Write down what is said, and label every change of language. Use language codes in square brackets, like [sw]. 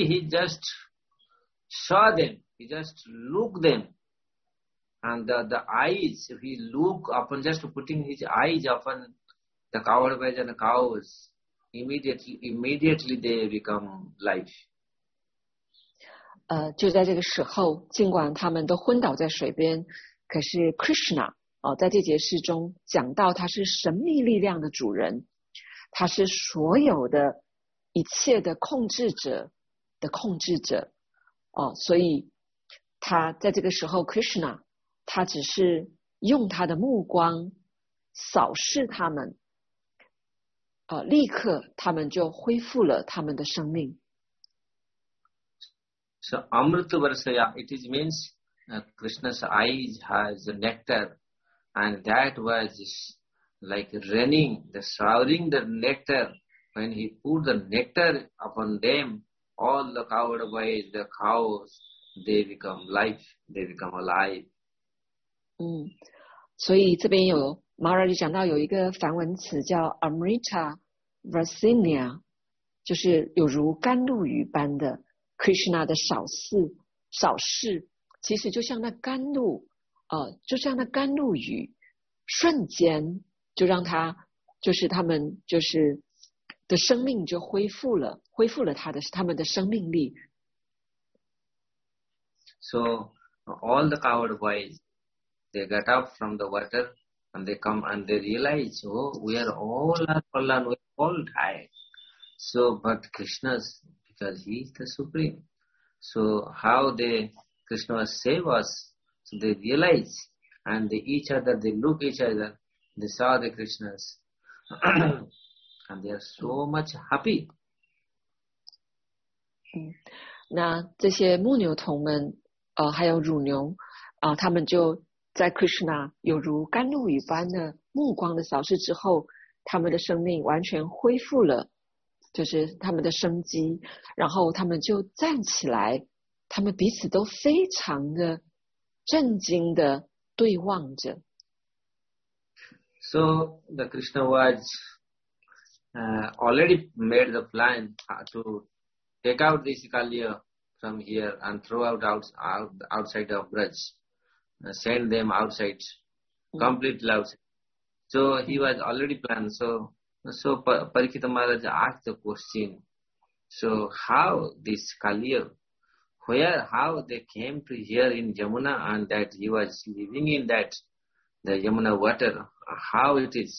[en] just saw them, he just looked them, and the eyes, if he look upon just putting his eyes upon the cowherd and the cows, immediately they become life. [zh] 就在这个时候，尽管他们都昏倒在水边，可是 Krishna 在这节诗中讲到他是神秘力量的主人，他是所有的一切的控制者的控制者所以他在这个时候 Krishna 他只是用他的目光扫视他们立刻他们就恢复了他们的生命。 [en] So Amrita Varsaya, it is means Krishna's eyes has nectar, and that was like running, the showering the nectar. When he put the nectar upon them, all the cowherd boys, the cows, they become life, they become alive. [zh] 所以这边有 Maharaj 讲到有一个梵文词叫 Amrita Varsinya, 就是有如甘露雨般的 Krishna 的扫视。其实就像那甘露就像那甘露雨瞬间就让他就是他们就是的生命就恢复了他们的生命力。 [en] So all the cowherd boys, they got up from the water and they come and they realize, oh, we are all fallen, we all died. So but Krishna, because he is the supreme, so how they Krishna was save us, so they realize, and they each other, they look each other, they saw the Krishna's And they are so much happy. [zh] 那这些牧牛童们，还有乳牛，他们就在 Krishna 有如甘露一般的目光的扫视之后，他们的生命完全恢复了，就是他们的生机，然后他们就站起来，他们彼此都非常的震惊的对望着。So [en] the Krishna was already made the plan to take out this Kaliya from here and throw outside of Braj, send them outside, completely outside. So he was already planned. So Parikita Maharaj asked the question, so how this Kaliya, how they came to here in Yamuna and that he was living in that, the Yamuna water, how it is?